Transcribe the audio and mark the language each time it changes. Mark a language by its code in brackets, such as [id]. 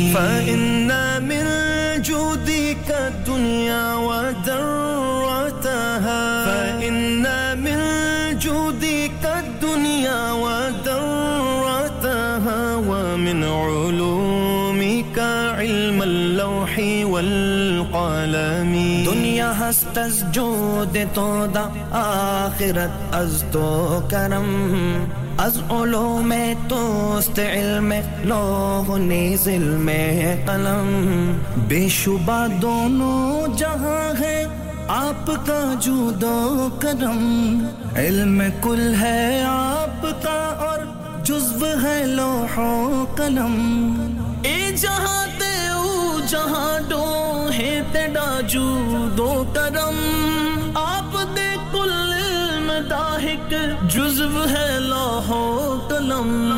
[ar] فإن من جودك الدنيا ودرتها فإن من جودك الدنيا ودرتها ومن علومك علم اللوح والقلم [fa] دنيا هست از جود تو دا آخرت از تو کرم از علوم توست علم لوح نیز علم قلم [ur] بے شبہ دونوں جہاں ہے آپ کا جود و کرم علم کل ہے آپ کا اور جزو ہے لوح و قلم [skr] اے جہاں تے او جہاں ڈو ہے تیڈا جود و کرم آپ دے کل علم دا ہک جزو ہے لوح و قلم